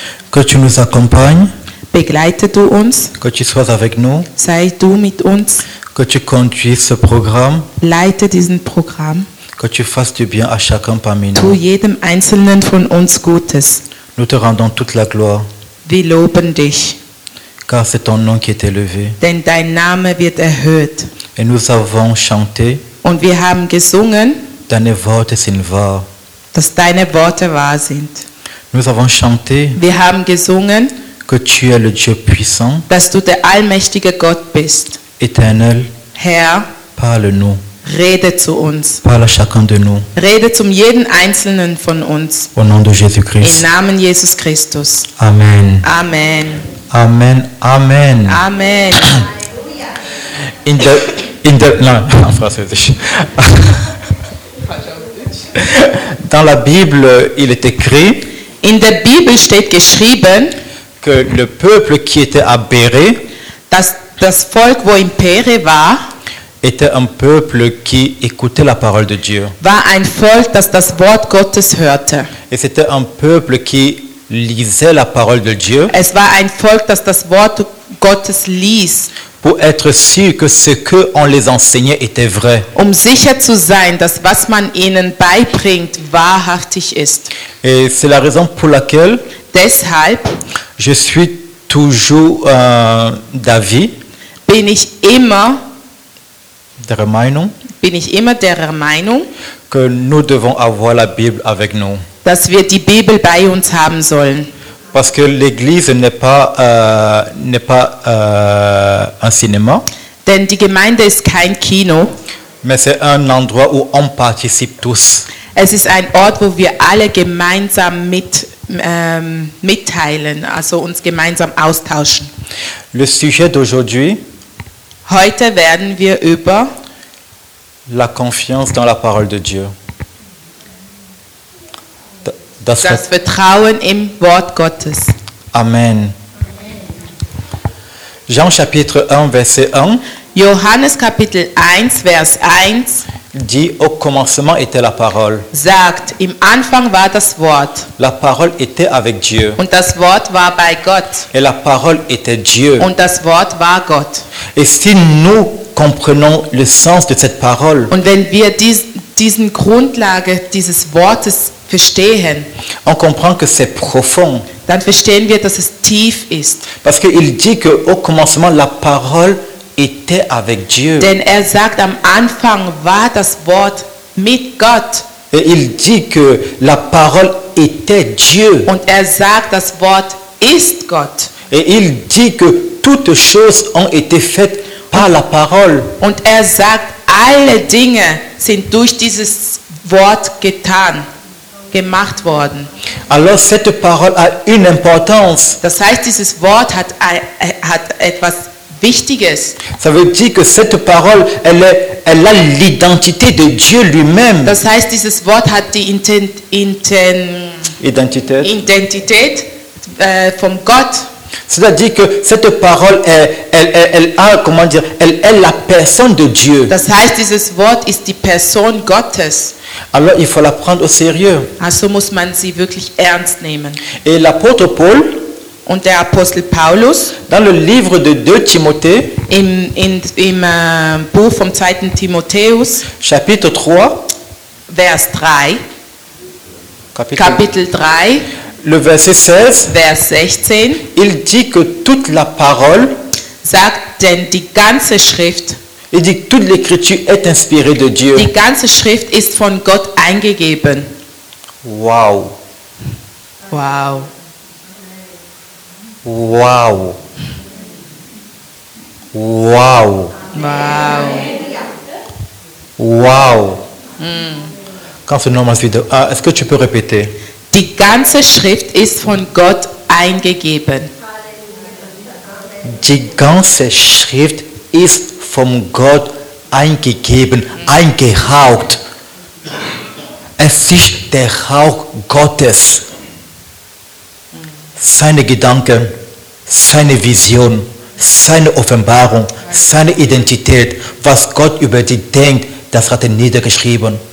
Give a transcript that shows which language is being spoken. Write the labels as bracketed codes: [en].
[fr] Que tu nous accompagnes. [de] Begleite du uns. [fr] Que tu sois avec nous. [de] Sei du mit uns. [fr] Que tu conduis ce programme. [de] Leite diesen Programm. [fr] Que tu fasses du bien à chacun parmi nous. [de] Tu jedem einzelnen von uns Gutes. [fr] Nous te rendons toute la gloire. [de] Wir loben dich. [fr] Car c'est ton nom qui est élevé. [de] Denn dein Name wird erhöht. [fr] Et nous avons chanté. [de] Und wir haben gesungen. Deine Worte sind wahr. Dass deine Worte wahr sind. [fr] Nous avons chanté. [de] Wir haben gesungen. [fr] Que tu es le Dieu puissant. [de] Dass du der allmächtige Gott bist. [fr] Éternel. [de] Herr. [fr] Parle-nous. [de] Rede zu uns. [fr] Parle à chacun de nous. [de] Rede zum jeden einzelnen von uns. [fr] Au nom de Jésus Christ. [de] Im Namen Jesus Christus. Amen. Amen. Amen. Amen. Amen. [fr] En français. Dans la Bible, il est écrit. [de] In der Bibel steht geschrieben. [fr] Que le peuple qui était à Béret. [de] Das Volk, wo in Béret war. [fr] Était un peuple qui écoutait la parole de Dieu. [de] War ein Volk, das das Wort Gottes hörte. [fr] Et c'était un peuple qui lisait la parole de Dieu. [de] Es war ein Volk, das das Wort Gottes ließ. [fr] Pour être sûr que ce que on les enseignait était vrai. [de] Um sicher zu sein, dass was man ihnen beibringt wahrhaftig ist. [fr] Et c'est la raison pour laquelle. [de] Deshalb. [fr] Je suis toujours d'avis. Bin ich immer. [de] Der Meinung, bin ich immer der Meinung, [fr] que nous devons avoir la Bible avec nous. [de] Dass wir die Bibel bei uns haben sollen. [fr] Parce que l'église n'est pas un cinéma. [de] Denn die Gemeinde ist kein Kino. [fr] Mais c'est un endroit où on participe tous. [de] Es ist ein Ort, wo wir alle gemeinsam mitteilen, also uns gemeinsam austauschen. [fr] Le sujet d'aujourd'hui. [de] Heute werden wir über [fr] la confiance dans la parole de Dieu. [de] Das Vertrauen im Wort Gottes. Amen. [fr] Jean chapitre 1 verset 1. [de] Johannes Kapitel 1 Vers 1 [fr] dit au commencement était la parole. [de] Sagt im Anfang war das Wort. [fr] La parole était avec Dieu. [de] Und das Wort war bei Gott. [fr] Et la parole était Dieu. [de] Und das Wort war Gott. [fr] Et si nous comprenons le sens de cette parole. [de] Und wenn wir diesen Grundlage dieses Wortes verstehen. [fr] On comprend que c'est profond. [de] Dann verstehen wir, dass es tief ist. [fr] Parce que il dit que au commencement la parole était avec Dieu. [de] Denn er sagt, am Anfang war das Wort mit Gott. [fr] Et il dit que la parole était Dieu. [de] Und er sagt, das Wort ist Gott. [fr] Et il dit que toutes choses ont été faites par la parole. [de] Und er sagt, alle Dinge sind durch dieses Wort getan, gemacht worden. [fr] Alors cette parole a une importance. [de] Das heißt, dieses Wort hat etwas Wichtiges. [fr] Ça veut dire que cette parole, elle a l'identité de Dieu lui-même. [de] Das heißt, dieses Wort hat die Identität. Identität von Gott. [fr] C'est-à-dire que cette parole elle est la personne de Dieu. [de] Das heißt, dieses Wort ist die Person Gottes. [fr] Alors il faut la prendre au sérieux. [de] Also muss man sie wirklich ernst nehmen. [fr] Et l'apôtre Paul [de] und der Apostel Paulus [fr] dans le livre de 2 Timothée [de] im Buch vom 2. Timotheus [fr] chapitre 3 vers 3 [de] Kapitel 3 [fr] le verset 16 vers 16 il dit que toute la parole [de] sagt denn die ganze Schrift. [fr] Il dit que toute l'écriture est inspirée de Dieu. [de] Die ganze Schrift ist von Gott eingegeben. Wow. Wow. Wow. Wow. Wow. Wow. [fr] Quand ce nom m'a dit, est-ce que tu peux répéter? [de] Die ganze Schrift ist von Gott eingegeben. Die ganze Schrift ist von Gott eingegeben, eingehaucht. Es ist der Hauch Gottes. Seine Gedanken, seine Vision, seine Offenbarung, seine Identität, was Gott über dich denkt, das hat er niedergeschrieben.